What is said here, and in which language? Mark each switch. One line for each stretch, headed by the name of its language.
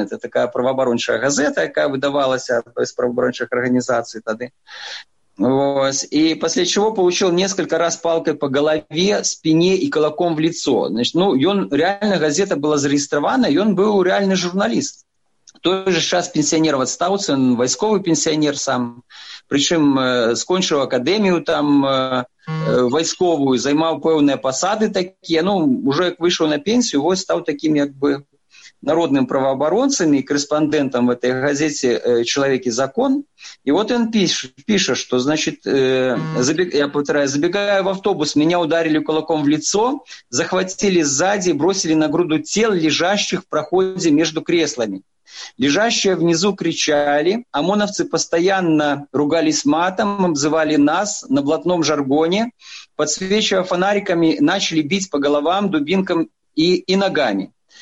Russian: Это такая правооборонная газета, которая выдавалась из правооборонных организаций тогда. Вот. И после чего получил несколько раз палкой по голове, спине и кулаком в лицо. Значит, ну, он, реально газета была зарегистрирована, и он был реальный журналист.
Belarusian: Той же час пенсіянер адстаўцы, он вайсковы пенсіянер сам, прычым скончыў акадэмію там вайсковую, займаў пэўныя пасады такія, ну, ўжо як выйшаў на пенсію, вось стаў такім як бы народным праваабаронцам і корэспандэнтам в этой газеце «Чалавек і закон». І от ён піша, што,
Russian: значит, я повторяю, забегаю в автобус, меня ударили кулаком в лицо, захватили сзади, бросили на груду тел, лежащих в проходе между креслами. Лежащие внизу кричали, ОМОНовцы постоянно ругались матом, обзывали нас на блатном жаргоне, подсвечивая фонариками, начали бить по головам, дубинкам и ногами.